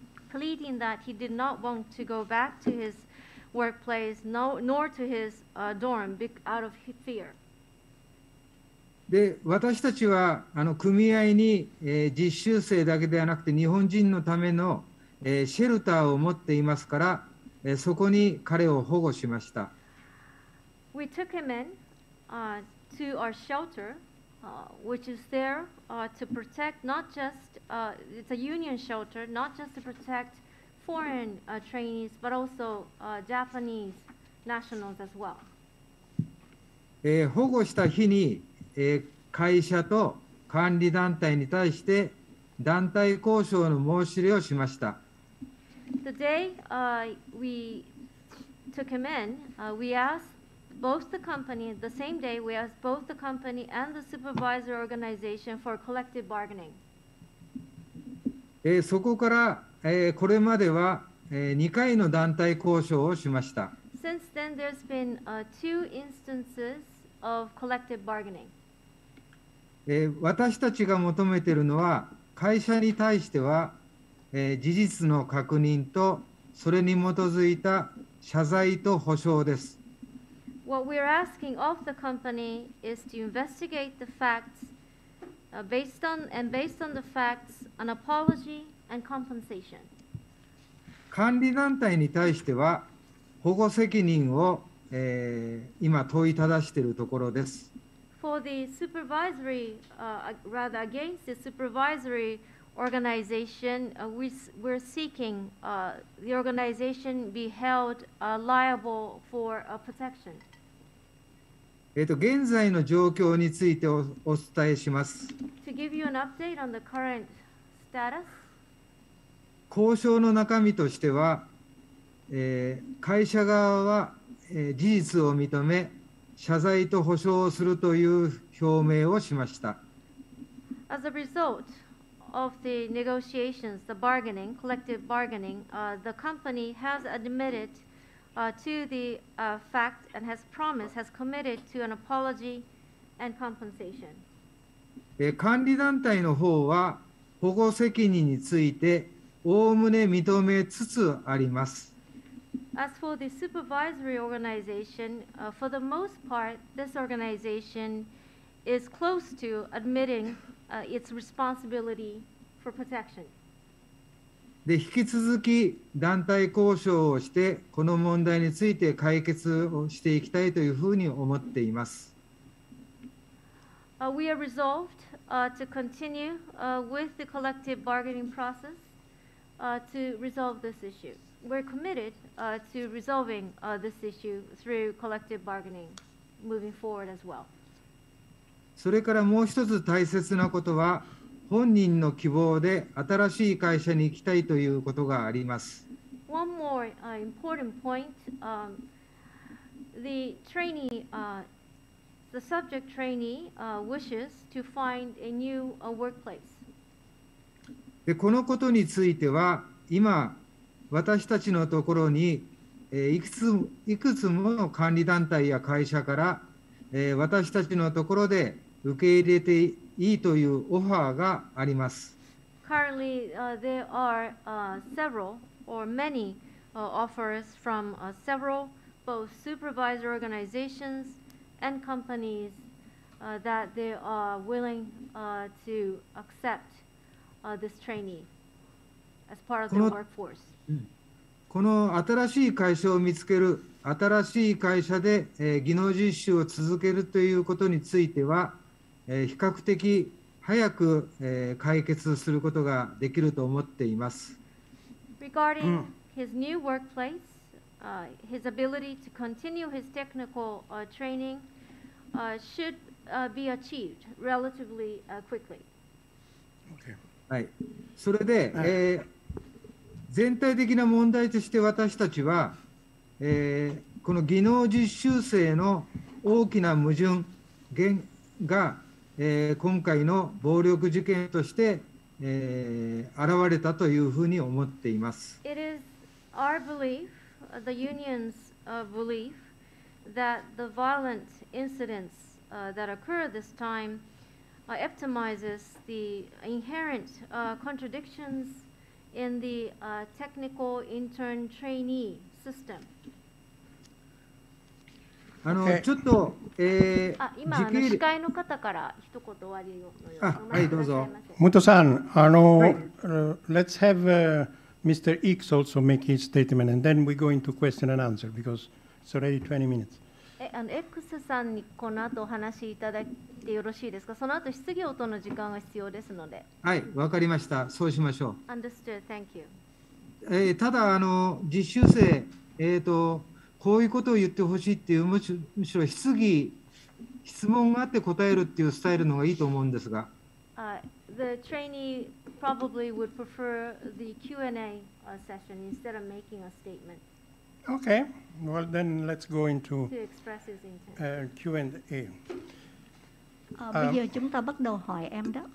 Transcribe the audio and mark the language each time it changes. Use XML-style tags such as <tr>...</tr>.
<en>Pleading that he did not want to go back to his workplace, nor to his dorm, out of fear.</en> <ja>で、私たちは組合に、実習生だけではなくて日本人のための、シェルターを持っていますから、そこに彼を保護しました。</ja> <en>We took him in to our shelter, which is there. To protect not just it's a union shelter, not just to protect foreign trainees, but also Japanese nationals as well.</en> <ja>保護した日に、会社と管理団体に対して団体交渉の申し入れをしました。</ja> <en>The day we took him in, we asked both the company, the same day, we asked both the company and the supervisor organization for collective bargaining.</en> <ja>そこから、これまでは、 2回の団体交渉をしました。</ja> <en>Since then, there's been two instances of collective bargaining.</en> <ja>私たちが求めているのは、会社に対しては、事実の確認と、それに基づいた謝罪と補償です。</ja> <en>What we're asking of the company is to investigate the facts, based on the facts, an apology and compensation.</en> <ja>管理団体に対しては保護責任を、今問いただしているところです。</ja> <en>For the supervisory, rather against the supervisory organization, we're seeking the organization be held liable for protection.</en> <ja>現在の状況についてお伝えします。</ja> <en>To give you an update on the current status.</en> <ja>交渉の中身としては、会社側は、事実を認め、謝罪と補償をするという表明をしました。</ja> <en>As a result of the negotiations, the bargaining, collective bargaining, the company has admitted to the fact and has promised, has committed to an apology and compensation.</en> <ja>管理団体の方は、保護責任について、概ね認めつつあります。</ja> <en>As for the supervisory organization, for the most part, this organization is close to admitting its responsibility for protection.</en> <ja>で、引き続き団体交渉をして、この問題について解決をしていきたいというふうに思っています。</ja> <en>We are resolved to continue with the collective bargaining process. To resolve this issue. We're committed to resolving this issue through collective bargaining moving forward as well.</en> <ja>それからもう一つ大切なことは、本人の希望で新しい会社に行きたいということがあります。</ja> <en>One more important point. The trainee, the subject trainee, wishes to find a new workplace.</en> <ja>でこのことについては、今、私たちのところに、いくつもの管理団体や会社から、私たちのところで受け入れていいというオファーがあります。</ja> <en>Currently, there are several or many offers from several both supervisor organizations and companies that they are willing to accept. This trainee as part of the workforce.</en> <ja>この新しい会社を見つける新しい会社で、技能実習を続けるということについては、比較的早く、解決することができると思っています。</ja> <en>Regarding his new workplace, his ability to continue his technical training should be achieved relatively quickly. Okay.</en> <ja>はい、それで、全体的な問題として私たちは、この技能実習生の大きな矛盾が、今回の暴力事件として、現れたというふうに思っています。</ja> <en>It is our belief, the union's belief, that the violent incidents that occur this timeepitomizes the inherent contradictions in the technical intern trainee system.</en> <ja>ちょっと、今、司会の方から一言終わりのようあ、はい、どうぞ。</ja> <en>Muto さん、let's have Mr. X also make his statement and then we go into question and answer because it's already 20 minutes.</en> <ja>X さんにこの後お話しいただいてよろしいですか。その後質疑応答の時間が必要ですので。はい、わかりました。そうしましょう。</ja> <en>Understood. Thank you.</en> <ja>ただ実習生、こういうことを言ってほしいっていうむしろ質疑質問があって答えるっていうスタイルの方がいいと思うんですが。</ja> <en>The trainee probably would prefer the Q&A session instead of making a statement. Okay, well then let's go into Q&A.</en>